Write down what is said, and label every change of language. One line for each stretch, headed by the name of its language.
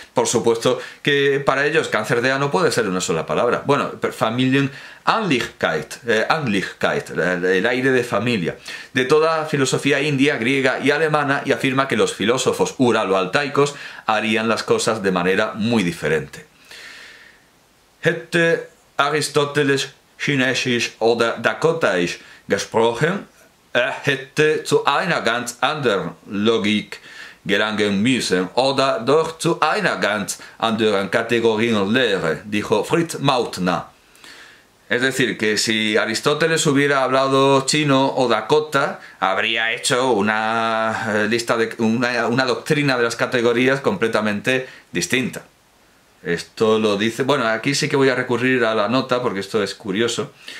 Spanish: Por supuesto que para ellos cáncer de ano puede ser una sola palabra. Bueno, Familien Anlichkeit, el aire de familia, de toda filosofía india, griega y alemana, y afirma que los filósofos uralo-altaicos harían las cosas de manera muy diferente.
German: Hätte Aristoteles chinesisch oder dakotaisch gesprochen, hätte zu einer ganz anderen Logik gelangen müssen oder doch zu einer ganz anderen Kategorienlehre,
Spanish: dijo
German: Fritz Mautner.
Spanish: Es decir, que si Aristóteles hubiera hablado chino o dakota, habría hecho una doctrina de las categorías completamente distinta. Esto lo dice. Bueno, aquí sí que voy a recurrir a la nota porque esto es curioso.